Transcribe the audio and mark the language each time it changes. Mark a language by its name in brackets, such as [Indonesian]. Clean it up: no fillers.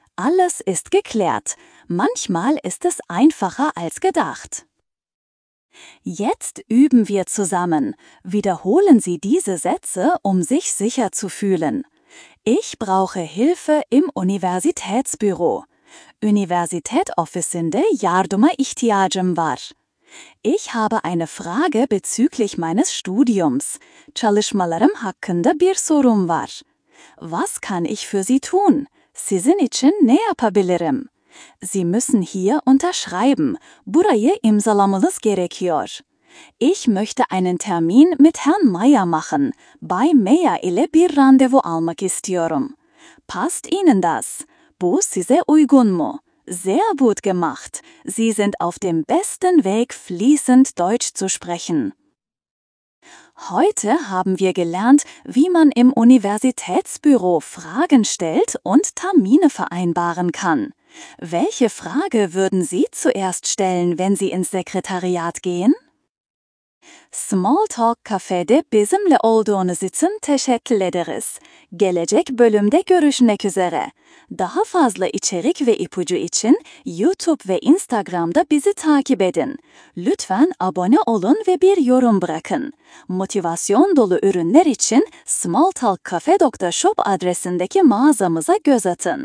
[German] Alles ist geklärt. Manchmal ist es einfacher als gedacht. Jetzt üben wir zusammen. Wiederholen Sie diese Sätze, um sich sicher zu fühlen. Ich brauche Hilfe im Universitätsbüro. [Turkish] Universität Officinde Yardıma ihtiyacım var. [German] Ich habe eine Frage bezüglich meines Studiums. [Turkish] Çalışmalarım hakkında bir sorum var. [German] Was kann ich für Sie tun? [Turkish] Sizin için ne yapabilirim? [German] Sie müssen hier unterschreiben. [Turkish] Burayı imzalamanız gerekiyor. [German] Ich möchte einen Termin mit Herrn Meyer machen. [Turkish] Bay Meyer ile bir randevu almak istiyorum. [German] Passt Ihnen das? [Turkish] Bu size uygun mu? [German] Sehr gut gemacht. Sie sind auf dem besten Weg, fließend Deutsch zu sprechen. Heute haben wir gelernt, wie man im Universitätsbüro Fragen stellt und Termine vereinbaren kann. Welche Frage würden Sie zuerst stellen, wenn Sie ins Sekretariat gehen? [Turkish] Smalltalk kafede bizimle olduğunuz için teşekkür ederiz. Gelecek bölümde görüşmek üzere. Daha fazla içerik ve ipucu için YouTube ve Instagram'da bizi takip edin. Lütfen abone olun ve bir yorum bırakın. Motivasyon dolu ürünler için smalltalkcafe.shop adresindeki mağazamıza göz atın.